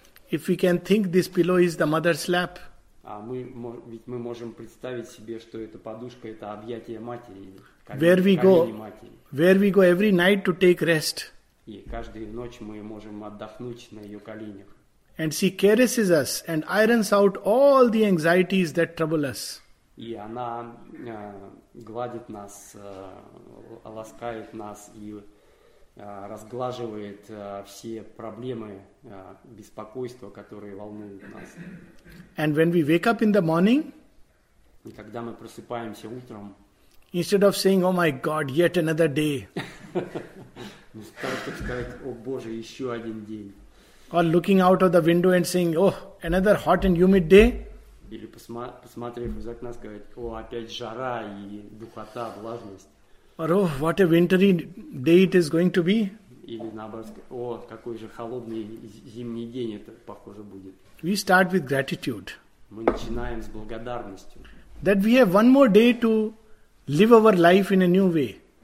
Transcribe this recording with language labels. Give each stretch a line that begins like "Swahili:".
English: If we can think this pillow is the mother's lap.
Russian: А мы, ведь мы можем представить себе, что эта подушка – это объятие матери.
English: Where we go, every night to take rest.
Russian: И каждую ночь мы можем отдохнуть на ее коленях.
English: And she caresses us and irons out all the anxieties that trouble us.
Russian: И она гладит нас, ласкает нас и разглаживает все проблемы, беспокойства, которые волнуют нас.
English: And when we wake up in the morning,
Russian: и когда мы просыпаемся утром,
English: instead of saying, "Oh my God, yet another day,"
Russian: мы стараемся сказать, "О Боже, еще один день."
English: Or looking out of the window and saying, "Oh, another hot and humid day."
Russian: Или посмотрев из окна, сказать, "О, опять жара и духота, влажность."
English: Or, "Oh, what a wintry day it is going to be."
Russian: Или наоборот, "О, какой же холодный зимний день это, похоже, будет."
English: We start with gratitude.
Russian: Мы начинаем с благодарностью.
English: That we have one more day to live our life in a new way.